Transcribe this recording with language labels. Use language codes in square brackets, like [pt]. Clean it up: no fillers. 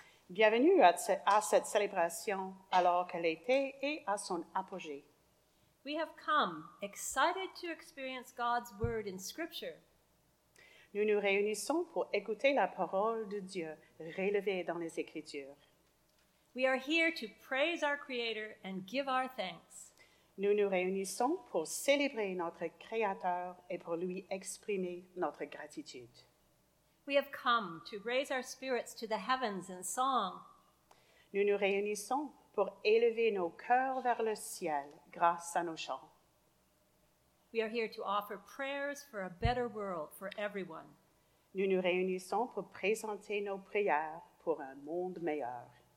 [fr] Bienvenue à cette célébration alors que l'été est à son apogée. [en] We have come excited to experience God's word in Scripture. [fr] Nous nous réunissons pour écouter la parole de Dieu relevée dans les Écritures. [en] We are here to praise our Creator and give our thanks. [fr] Nous nous réunissons pour célébrer notre Créateur et pour lui exprimer notre gratitude. [en] We have come to raise our spirits to the heavens in song. [fr] Nous nous réunissons pour élever nos cœurs vers le ciel grâce à nos chants. [en] We are here to offer prayers for a better world for everyone. [fr] Nous nous réunissons pour présenter nos prières pour un monde meilleur.